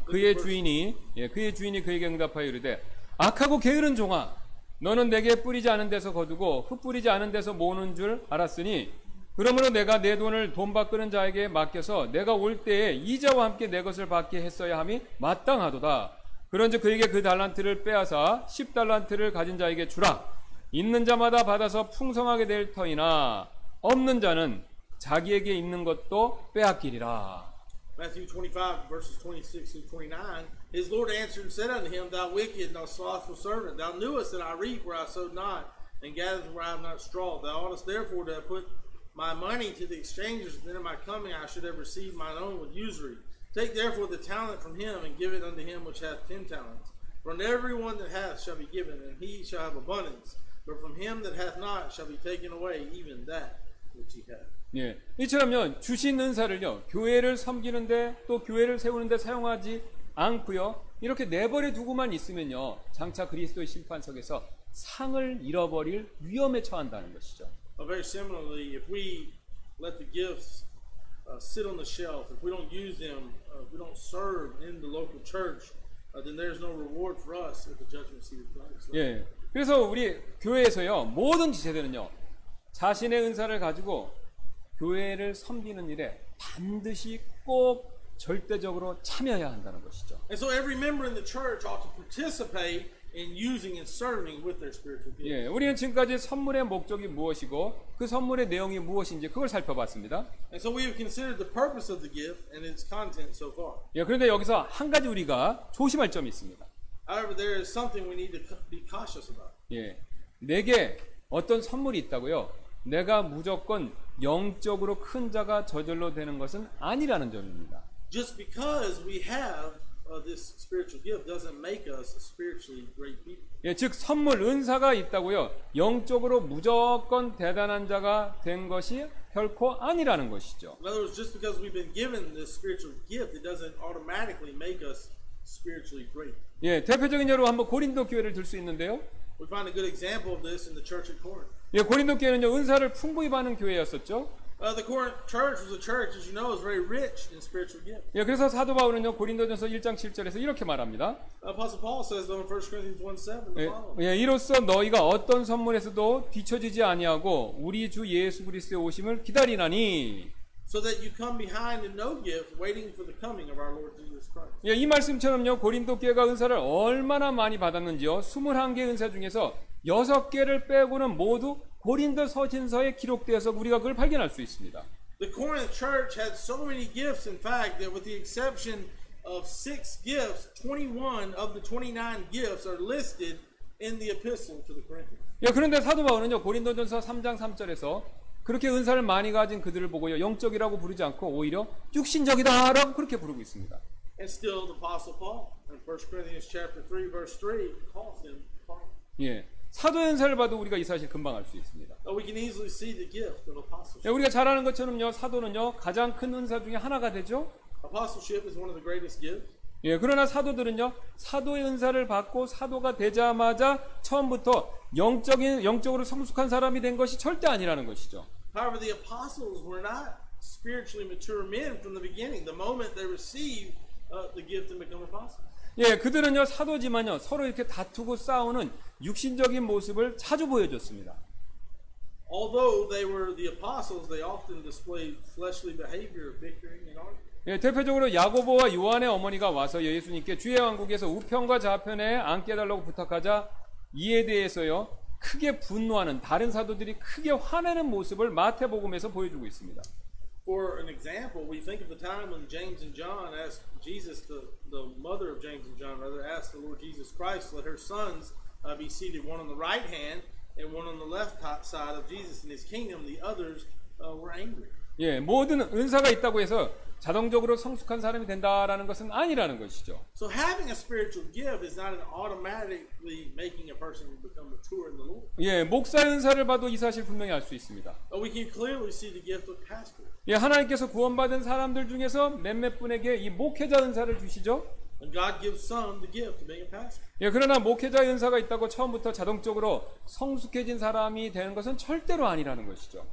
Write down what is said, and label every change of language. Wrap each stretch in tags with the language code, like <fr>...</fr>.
<ko>그의 주인이 예, 그의 주인이 그에게 응답하여 이르되 악하고 게으른 종아, 너는 내게 뿌리지 않은 데서 거두고 흩뿌리지 않은 데서 모으는 줄 알았으니, 그러므로 내가 내 돈을 돈 바꾸는 자에게 맡겨서 내가 올 때에 이자와 함께 내 것을 받게 했어야 함이 마땅하도다. 그런즉 그에게 그 달란트를 빼앗아 10달란트를 가진 자에게 주라. 있는 자마다 받아서 풍성하게 될 터이나 없는 자는 자기에게 있는 것도 빼앗기리라.</ko> <en>Matthew 25 verses 26 and 29. His Lord answered and said unto him, Thou wicked and thou slothful servant, thou knewest that I reap where I sowed not, and gathered where I have not straw. Thou oughtest therefore to have put my money to the exchangers, and then in my coming I should have received mine own with usury. Take therefore the talent from him and give it unto him which hath 10 talents. For unto every one that hath shall be given, and he shall have abundance. But from him that hath not shall be taken away even that which he hath.</en> <ko>예, 이처럼요, 주신 은사를요, 교회를 섬기는데 또 교회를 세우는데 사용하지 않고요, 이렇게 내버려 두고만 있으면요, 장차 그리스도의 심판석에서 상을 잃어버릴 위험에 처한다는 것이죠.</ko> <en>Very similarly, if we let the gifts sit on the shelf, if we don't use them, if we don't serve in the local church, then there's no reward for us at the judgment seat of Christ.</en> <ko>예, 그래서 우리 교회에서요, 모든 지체들은요, 자신의 은사를 가지고 교회를 섬기는 일에 반드시 꼭 절대적으로 참여해야 한다는 것이죠.</ko> <en>And so every member in the church ought to participate in using and serving with their spiritual gifts.</en> <ko>예, 우리는 지금까지 선물의 목적이 무엇이고 그 선물의 내용이 무엇인지 그걸 살펴봤습니다.</ko> <en>And so we have considered the purpose of the gift and its content so far.</en> <ko>예, 그런데 여기서 한 가지 우리가 조심할 점이 있습니다.</ko> <en>However, there is something we need to be cautious about.</en> <ko>예, 내게 어떤 선물이 있다고요? 내가 무조건 영적으로 큰 자가 저절로 되는 것은 아니라는 점입니다.</ko> <en>Just because we have this spiritual gift doesn't make us spiritually great people.</en> <ko>예, 즉 선물 은사가 있다고요, 영적으로 무조건 대단한 자가 된 것이 결코 아니라는 것이죠.</ko> <en>In other words, just because we've been given this spiritual gift, it doesn't automatically make us spiritually great.</en> <ko>예, 대표적인 예로 한번 고린도 교회를 들 수 있는데요.</ko> <en>We find a good example of this in the church at Corinth.</en> <ko>예, 고린도 교회는요, 은사를 풍부히 받는 교회였었죠.</ko> <en>The Corinth church was a church, as you know, is very rich in spiritual gifts.</en> <ko>예, 그래서 사도 바울은요, 고린도전서 1장 7절에서 이렇게 말합니다.</ko> <en>Apostle Paul says in 1 Corinthians 1:7.</en> <ko>예, 예, 이로써 너희가 어떤 선물에서도 뒤처지지 아니하고 우리 주 예수 그리스도의 오심을 기다리나니.</ko> <en>So that you come behind in no gift, waiting for the coming of our Lord Jesus Christ.</en> <ko>예, 이 말씀처럼요, 고린도 교회가 은사를 얼마나 많이 받았는지요, 21개 은사 중에서 6개를 빼고는 모두 고린도 서신서에 기록되어서 우리가 그걸 발견할 수 있습니다.</ko> <en>The Corinth church had so many gifts, in fact, that with the exception of 6 gifts, 21 of the 29 gifts are listed in the epistle to the Corinthians.</en> <ko>예, 그런데 사도 바울은요, 고린도전서 3장 3절에서 그렇게 은사를 많이 가진 그들을 보고요, 영적이라고 부르지 않고 오히려 육신적이다라고 그렇게 부르고 있습니다.</ko> <en>And still the apostle Paul in 1 Corinthians chapter 3 verse 3 calls him Paul.</en> <ko>예. 사도의 은사를 봐도 우리가 이 사실 금방 알 수 있습니다.</ko> <en>We can easily see the gift of apostleship.</en> <ko>예, 우리가 잘 아는 것처럼요, 사도는요, 가장 큰 은사 중에 하나가 되죠.</ko> <en>Apostleship is one of the greatest gifts.</en> <ko>예, 그러나 사도들은요, 사도의 은사를 받고 사도가 되자마자 처음부터 영적으로 성숙한 사람이 된 것이 절대 아니라는 것이죠.</ko> <en>However, the apostles were not spiritually mature men from the beginning, the moment they received the gift and become apostles.</en> <ko>예, 그들은요, 사도지만요, 서로 이렇게 다투고 싸우는 육신적인 모습을 자주 보여줬습니다.</ko> <en>Although they were the apostles, they often displayed fleshly behavior, bickering and arguing.</en> <ko>예, 대표적으로 야고보와 요한의 어머니가 와서 예수님께 주의 왕국에서 우편과 좌편에 앉게 해달라고 부탁하자 이에 대해서요 크게 분노하는 다른 사도들이 크게 화내는 모습을 마태복음에서 보여주고 있습니다.</ko> <en>For an example, we think of the time when James and John asked Jesus, the mother of James and John, rather asked the Lord Jesus Christ, let her sons be seated one on the right hand and one on the left side of Jesus in His kingdom. The others were angry.</en> <ko>예, 모든 은사가 있다고 해서 자동적으로 성숙한 사람이 된다라는 것은 아니라는 것이죠.</ko> <en>So having a spiritual gift is not an automatically making a person become mature in the Lord.</en> <ko>예, 목사 은사를 봐도 이 사실 분명히 알 수 있습니다.</ko> <en>But we can clearly see the gift of pastor.</en> <ko>예, 하나님께서 구원받은 사람들 중에서 몇몇 분에게 이 목회자 은사를 주시죠.</ko> <en>And God gives some the gift of being a pastor.</en> <ko>예, 그러나 목회자 은사가 있다고 처음부터 자동적으로 성숙해진 사람이 되는 것은 절대로 아니라는 것이죠.</ko>